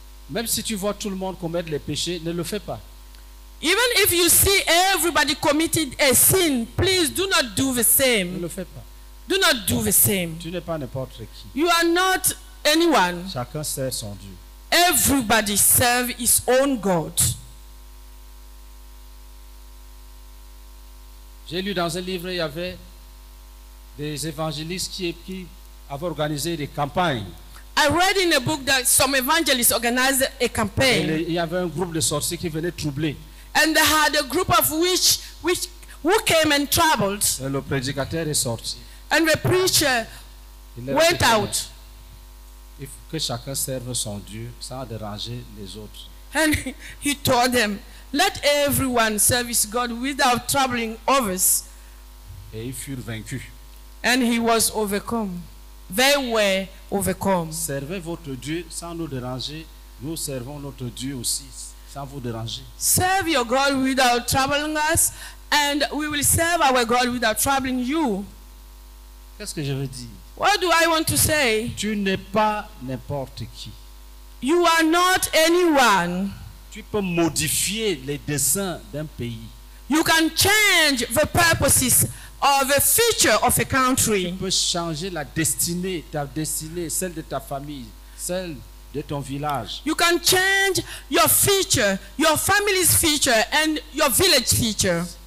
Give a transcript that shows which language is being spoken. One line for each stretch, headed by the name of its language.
French: Même si tu vois tout le monde commettre les péchés, ne le fais pas.
English: Even if you see everybody committed a sin, please do not do the same.
French: Ne le fais pas.
English: Do not do the same.
French: Tu n'es pas n'importe qui.
English: You are not anyone.
French: Chacun sert son Dieu.
English: Everybody serves his own God.
French: J'ai lu dans un livre, il y avait des évangélistes qui avaient organisé des campagnes.
English: I read in a book that some evangelists organized a campaign.
French: Il y avait un groupe de sorciers qui venaient troubler.
English: And they had a group of witches who came and troubled.
French: Et le prédicateur est sorti.
English: And the preacher went out.
French: Il faut que chacun serve son Dieu sans déranger les autres.
English: And he told them, let everyone serve his God without troubling others.
French: Et ils furent vaincus.
English: And he was overcome. They were overcome.
French: Servez votre Dieu sans nous déranger. Nous servons notre Dieu aussi sans vous déranger.
English: Serve your God without troubling us, and we will serve our God without troubling you.
French: Qu'est-ce que je veux dire?
English: What do I want to say?
French: Tu n'es pas n'importe qui.
English: You are not anyone.
French: Tu peux modifier les desseins d'un pays.
English: You can change the purposes of the future of a country.
French: Tu peux changer la destinée, ta destinée, celle de ta famille, celle de ton village.
English: You can change your future, your family's future and your village future.